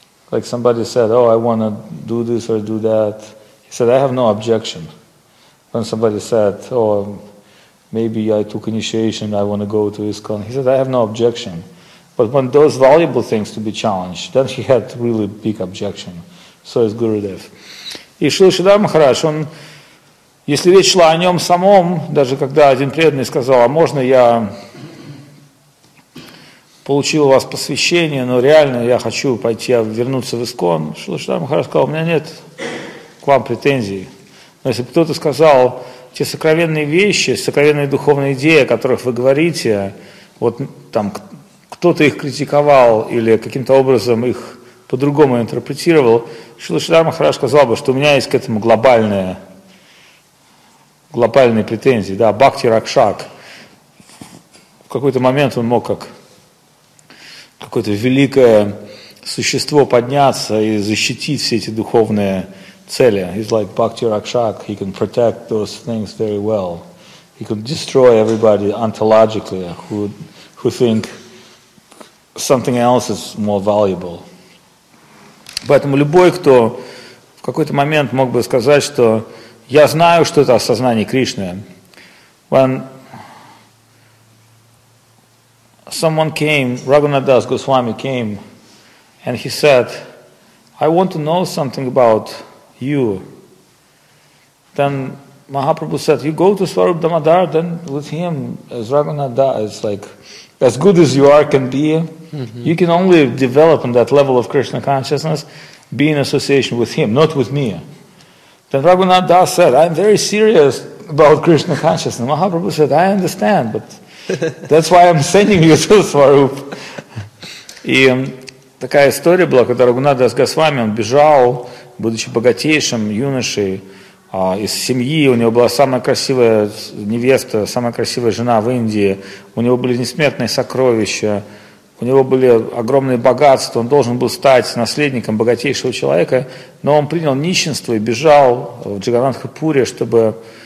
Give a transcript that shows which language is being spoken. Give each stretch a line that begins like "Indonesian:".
English: Like somebody said, oh, I want to do this or do that. He said, I have no objection. When somebody said, oh, maybe I took initiation, I want to go to ISKCON. He said, I have no objection. But when those valuable things to be challenged, then he had really big objection. So is Gurudev.
Russian: И Шрила Шридхара Махарадж, он, если речь шла о нем самом, даже когда один преданный сказал, а можно я получил у вас посвящение, но реально я хочу пойти вернуться в ИСККОН, Шрила Шридхара Махарадж сказал, у меня нет к вам претензий. Но если бы кто-то сказал, те сокровенные вещи, сокровенные духовные идеи, о которых вы говорите, вот там кто-то их критиковал или каким-то образом их по-другому интерпретировал, Шрила Шридхара Махарадж сказал бы, что у меня есть к этому глобальные претензии, да, Бхакти Ракшак. В какой-то момент он мог как какое-то великое существо подняться и защитить все эти духовные цели.
English: He's like Bhakti Rakshak, he can protect those things very well. He could destroy everybody ontologically who think something else is more valuable.
Russian: Поэтому любой, кто в какой-то момент мог бы сказать, что я знаю, что это осознание Кришны.
English: When someone came, Raghunath Das Goswami came, and he said, I want to know something about you. Then Mahaprabhu said, you go to Swarup Damodar, then with him, as Raghunath Das, it's like, as good as you are can be, you can only develop on that level of Krishna consciousness, be in association with him, not with me. Then Raghunath Das said, I'm very serious about Krishna consciousness. And Mahaprabhu said, I understand, but that's why I'm sending you to Swarup.
Russian: И такая история была, когда Рагунат Дас Госвами, он бежал, будучи богатейшим юношей из семьи, у него была самая красивая невеста, самая красивая жена в Индии, у него были несметные сокровища, у него были огромные богатства, он должен был стать наследником богатейшего человека, но он принял нищенство и бежал в Джаганнатхапуре, чтобы